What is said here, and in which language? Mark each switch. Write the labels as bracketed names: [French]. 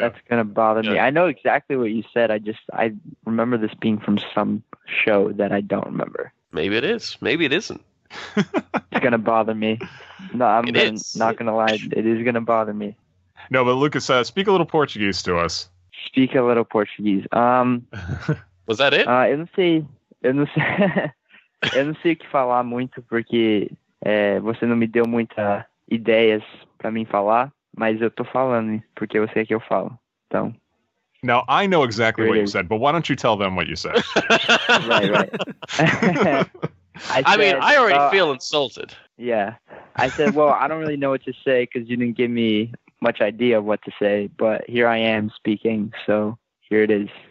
[English] That's going to bother me. I know exactly what you said. I remember this being from some show that I don't remember. Maybe it is. Maybe it isn't. It's going to bother me. No, I'm not going to lie. It is going to bother me. No, but Lucas, speak a little Portuguese to us. Speak a little Portuguese. Was that it? [Portuguese] Eu não sei o que falar muito, porque você não me deu muitas ideias para mim falar, mas eu tô falando, porque você é que eu falo. Então. [English] Now, I know exactly what you said, but why don't you tell them what you said? Right. I feel insulted. Yeah. I said, well, I don't really know what to say because you didn't give me much idea of what to say, but here I am speaking, so here it is.